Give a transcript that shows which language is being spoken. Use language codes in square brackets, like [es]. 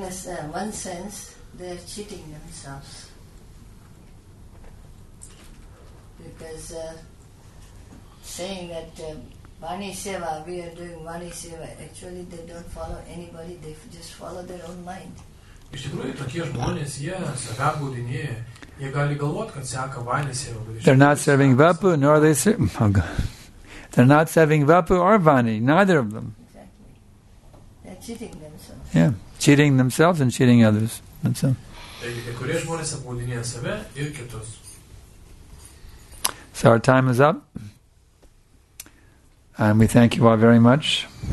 [en] one sense, they're cheating themselves. Because saying that Vani Seva, we are doing Vani Seva, actually they don't follow anybody, they just follow their own mind. [lt] Iš tikrųjų, tokie žmonės, jie save apgaudinėja, jie gali galvot, kad seka Vani Seva. [en] They're not serving Vapu, nor are they serving... Oh God. They're not serving Vapu or Vani, neither of them. Exactly. They're cheating themselves. Yeah, cheating themselves and cheating others. That's all. [lt] Taigi, kai kurie žmonės apgaudinėja save ir kitus. [en] So our time is up, and we thank you all very much.